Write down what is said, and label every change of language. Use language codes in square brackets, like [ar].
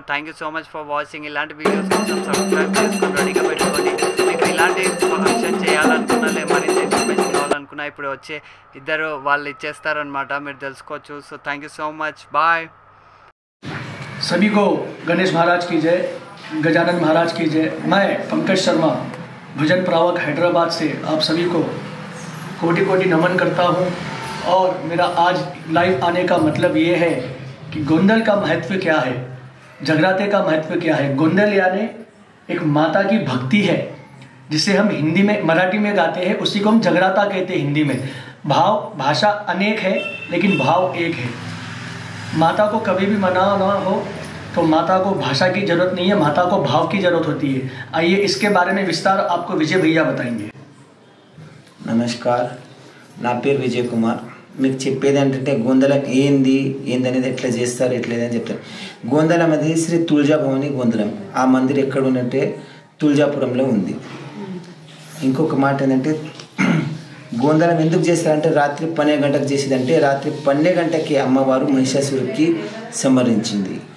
[en] Thank you so much for watching. [te] ఇలాంటి videos కోసం subscribe చేసుకుని రెడీగా పెట్టుకోండి. మీకు ఇలాంటి ఇన్ఫర్మేషన్ చేయాలనుకున్నా లే మరింత ఇన్ఫర్మేషన్ కావాలనుకున్నా ఇప్పుడు వచ్చే ఇద్దరు వాళ్ళు ఇచ్చేస్తారనమాట మీరు తెలుసుకోవచ్చు. [en] So thank you so much bye. [hi] सभी को गणेश महाराज की जय गजानन महाराज की जय. मैं पंकज शर्मा भजन प्रावक हैदराबाद से आप सभी को कोटि कोटि नमन करता हूं. और मेरा आज लाइव आने का मतलब ये है कि गोंदल का महत्व क्या है, जगराते का महत्व क्या है. गोंदल यानी एक माता की भक्ति है जिसे हम हिंदी में मराठी में गाते हैं उसी को हम जगराता कहते हैं हिंदी में. भाव भाषा अनेक है लेकिन भाव एक है. माता को कभी भी मनाना हो तो माता को भाषा की जरूरत नहीं है, माता को भाव की जरूरत होती है. आइए इसके बारे में विस्तार आपको विजय भैया बताएंगे. [te] नमस्कार ना पेर विजय कुमार. మీకు చెప్పేది ఏంటంటే గోందలం ఏంది ఏందనేది ఎట్లా చేస్తారు ఎట్లేదని చెప్తారు. గోందలం అనేది శ్రీ తులజాభవని గోందలం. ఆ మందిర్ ఎక్కడ ఉందంటే తులజాపురంలో ఉంది. ఇంకొక మాట ఏంటంటే గోందనం ఎందుకు చేశారంటే రాత్రి 12 గంటలకు చేసిదంటే రాత్రి 12 గంటకి అమ్మవారు మహిషాసురుడికి సంహరించింది.